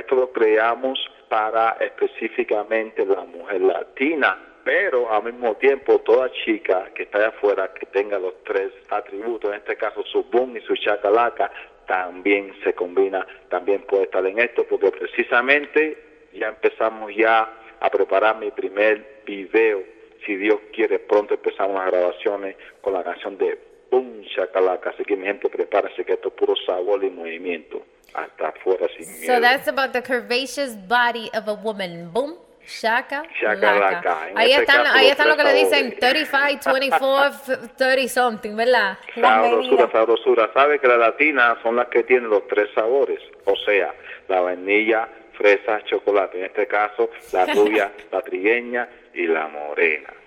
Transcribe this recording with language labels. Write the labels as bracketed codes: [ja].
[es] Esto lo creamos para específicamente la mujer latina, pero al mismo tiempo toda chica que está allá afuera que tenga los tres atributos, en este caso su boom y su shakalaka, también se combina, también puede estar en esto, porque precisamente ya empezamos ya a preparar mi primer video. Si Dios quiere, pronto empezamos las grabaciones con la canción de Boom Shakalaka. Así que mi gente, prepárense, que esto es puro sabor y movimiento, hasta afuera sin miedo. [en] So that's about the curvaceous body of a woman, Boom Shakalaka. [es] Ahí están lo que le dicen 35, 24, 30 something, ¿verdad? Sabrosura. Sabe que las latinas son las que tienen los tres sabores, o sea, la vainilla, fresa, chocolate. En este caso, la rubia, la trigueña y la morena.